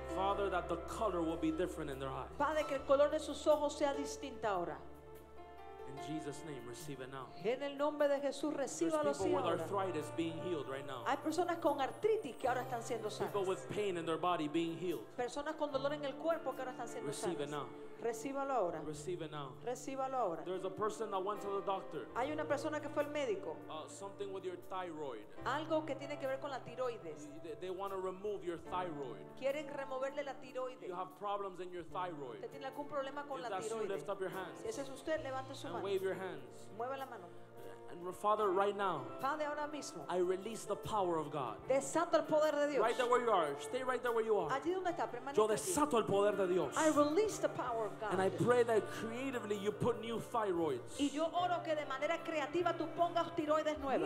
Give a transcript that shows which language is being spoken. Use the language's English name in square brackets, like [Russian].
[English] Father, that the color will be different in their eyes. [Spanish] Padre, que el color de sus ojos sea distinto ahora. [English] In Jesus' name, receive it now. [Spanish] En el nombre de Jesús, recíbalo ahora. [English] People with arthritis being healed right now. [Spanish] Hay personas con artritis que ahora están siendo sanas. [English] People with pain in their body being healed. [Spanish] Personas con dolor en el cuerpo que ahora están siendo sanas. [English] Receive it now. [Spanish] Recíbalo ahora. [English] Receive it now. [Spanish] Recíbalo ahora. [English] There's a person that went to the doctor. [Spanish] Hay una persona que fue al médico. [English] Something with your thyroid. [Spanish] Algo que tiene que ver con la tiroides. [English] They want to remove your thyroid. [Spanish] Quieren removerle la tiroides. [English] You have problems in your thyroid. [Spanish] Usted tiene algún problema con la tiroides. [English] If that's you, lift up your hands. [Spanish] Si ese es usted, levante su mano. [English] Wave your hands. [Spanish] Mueva la mano. [English] And Father, right now, [Spanish] Padre, ahora mismo, [English] I release the power of God. [Spanish] Desato el poder de Dios. [English] Right there where you are. Stay right there where you are. [Spanish] Allí donde está, permanece. Yo desato allí. El poder de Dios. [English] I release the power of God. And I pray that creatively you put new thyroids. [Spanish] Y yo oro que de manera creativa tú pongas tiroides nuevas.